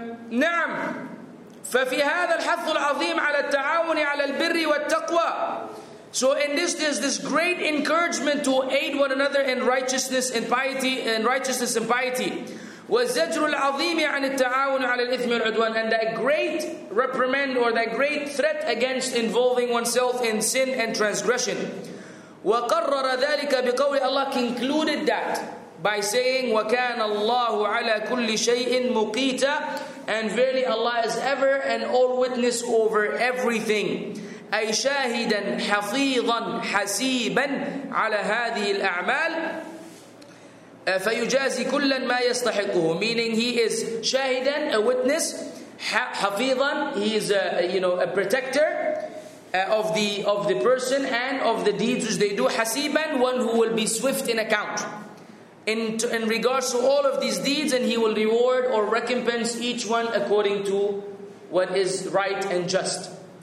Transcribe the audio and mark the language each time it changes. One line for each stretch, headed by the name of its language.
Arabic: نعم ففي هذا الحث العظيم على التعاون على البر والتقوى.
English: So in this, there's this great encouragement to aid one another in righteousness and piety, in righteousness and piety.
Arabic: والزجر العظيم عن التعاون على الإثم والعدوان.
English: And that great reprimand or that great threat against involving oneself in sin and transgression.
Arabic: وقرر ذلك بقول الله,
English: concluded that by saying
Arabic: وكان الله على كل شيء مقيتا.
English: And verily Allah is ever an all witness over everything.
Arabic: أي شاهدا حفيظا حسيبا على هذه الأعمال. فَيُجَازِي كُلًّا مَا يَسْتَحِقُهُ.
English: Meaning he is shahidan, a witness. حَفِيظًا, he is a protector of the person and of the deeds which they do. حَسِيبًا, one who will be swift in account. In regards to all of these deeds, and he will reward or recompense each one according to what is right and just.